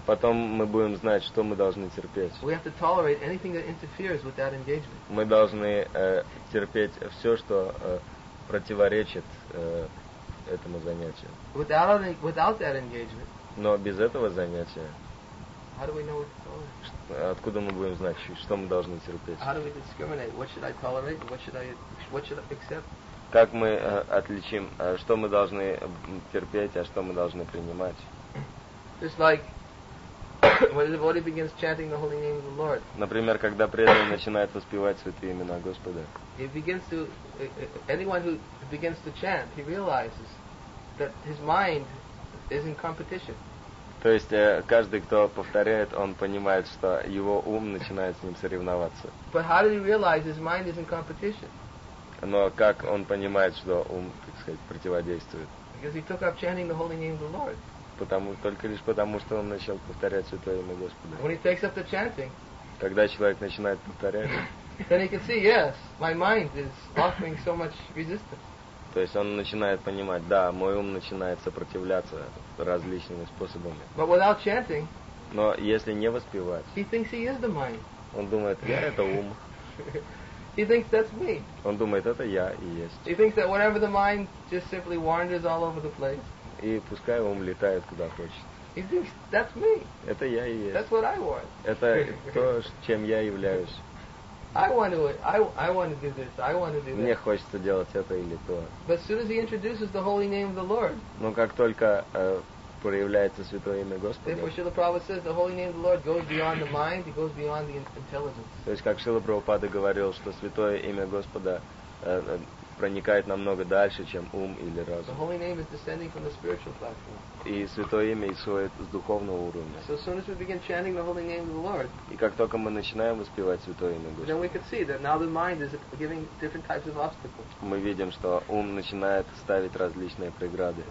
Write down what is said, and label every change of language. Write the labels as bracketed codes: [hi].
[ru] Потом мы будем знать, что мы должны терпеть. [en] We have to tolerate anything that interferes with that engagement. [ru] Мы должны терпеть все, что противоречит этому занятию. [en] Without that engagement. [ru] Но без этого занятия. [en] How do we know what to tolerate? [ru] Откуда мы будем знать, что мы должны терпеть? [en] How do we discriminate? What should I tolerate? What should I accept? [ru] Как мы отличим, что мы должны терпеть, а что мы должны принимать? [en] Just like when a devotee begins chanting the holy name of the Lord. [ru] Например, когда преданный начинает воспевать святые имена Господа. [en] He begins to anyone who begins to chant, he realizes that his mind is in competition. [ru] То есть каждый, кто повторяет, он понимает, что его ум начинает с ним соревноваться. [en] But how do you realize his mind is in competition? [ru] Но как он понимает, что ум, так сказать, противодействует? [en] Because he took up chanting the holy name of the Lord. [ru] Только лишь потому, что он начал повторять святое имя Господа. [en] When he takes up the chanting. [ru] Когда человек начинает повторять. [en] Then he can see, yes, my mind is offering so much resistance. [ru] То есть он начинает понимать, да, мой ум начинает сопротивляться различными способами. [en] But without chanting. [ru] Но если не воспевать. [en] He thinks he is the mind. [ru] Он думает, я это ум. [en] He thinks that's me. [ru] Он думает, это я и есть. [en] He thinks that whatever the mind just simply wanders all over the place. [ru] И пускай ум летает куда хочет. [en] He thinks that's me. [ru] Это я и есть. [en] That's what I want. [ru] Это то, чем я являюсь. [en] I want to do this. [ru] Мне хочется делать это или то. [en] But as soon as he introduces the holy name of the Lord. [ru] Но как только проявляется святое имя Господа. [en] Therefore, Srila Prabhupada says the holy name of the Lord goes beyond the mind, it goes beyond the intelligence. [ru] То есть, как Шрила Прабхупада говорил, что святое имя Господа проникает намного дальше, чем ум или разум. [en] The holy name is descending from the spiritual platform. [ru] И святое имя исходит с духовного уровня. [en] So as soon as we begin chanting the holy name of the Lord. [ru] И как только мы начинаем воспевать святое имя Господа. [en] Then we can see that now the mind is giving different types of obstacles. [ru] Мы видим, что ум начинает ставить различные преграды.